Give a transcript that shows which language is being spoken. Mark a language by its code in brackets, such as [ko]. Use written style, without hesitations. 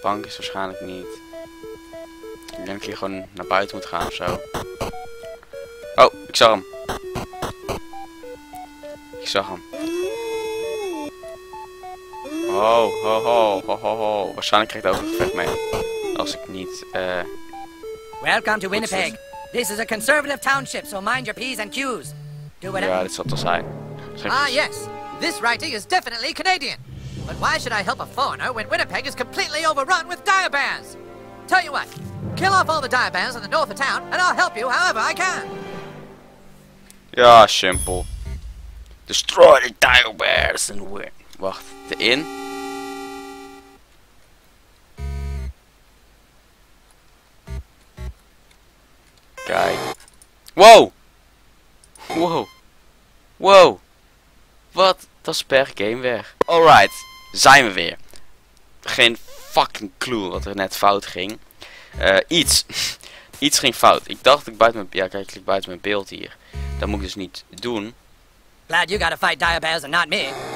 [nl] Bank is waarschijnlijk niet. Ik denk dat ik hier gewoon naar buiten moet gaan of zo. Oh, ik zag hem. Ik zag hem. Oh, ho, ho, ho, ho, ho. Waarschijnlijk krijg ik daar ook een gevecht mee. Als ik niet, [en] Welcome to Winnipeg. This is a conservative township, so mind your P's and Q's. Do whatever. [nl] Ja, dit zal toch zijn. [en] Ah, yes. This writing is definitely Canadian. But why should I help a foreigner when Winnipeg is completely overrun with dire bears? Tell you what. Kill off all the dire bears in the north of town, and I'll help you however I can. [nl] Ja, simpel. [en] Destroy the dire bears and win. [nl] Wacht, de in? Kijk. Wow! Wow. Wow. Wat? Dat is per game weg. Alright, zijn we weer. Geen fucking clue wat er net fout ging. Iets. Iets ging fout. Ik dacht ik buiten mijn... Ja, kijk, ik klik buiten mijn beeld hier. Dat moet ik dus niet doen. [en] Glad you gotta fight dire bears and not me.